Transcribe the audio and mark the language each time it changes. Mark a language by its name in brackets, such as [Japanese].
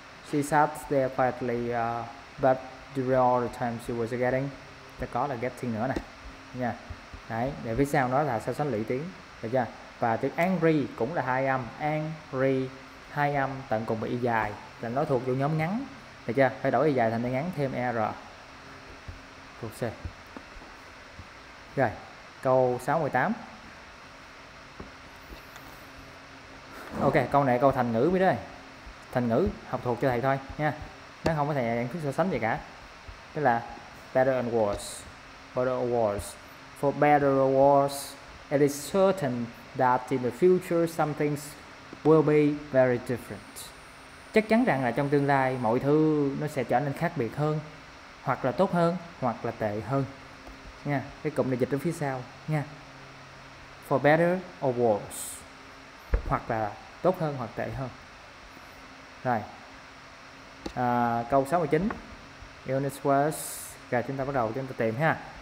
[English] She sat there quietly, but during all the time she was getting, [Vietnamese] ta có là getting nữa nè, nha. Đấy, để phía sau nó là so sánh lũy tiến, được chưa? Và chữ angry cũng là hai âm, angry hai âm tận cùng bị y dài, là nó thuộc vô nhóm ngắn, được chưa? Phải đổi y dài thành y ngắn thêm er. C. Rồi, câu 68. Ok, câu này câu thành ngữ mới đây. Thành ngữ học thuộc cho thầy thôi nha. Nó không có thầy nhận thức so sánh gì cả. Tức là [English] better and worse. Better or worse. For better or worse, it is certain that in the future some things will be very different. [Vietnamese] Chắc chắn rằng là trong tương lai mọi thứ nó sẽ trở nên khác biệt hơn, hoặc là tốt hơn hoặc là tệ hơn nha. Cái cụm này dịch ở phía sau nha, [English] for better or worse, [Vietnamese] hoặc là tốt hơn hoặc tệ hơn. Rồi, câu 69, illness was, rồi chúng ta bắt đầu chúng ta tìm ha.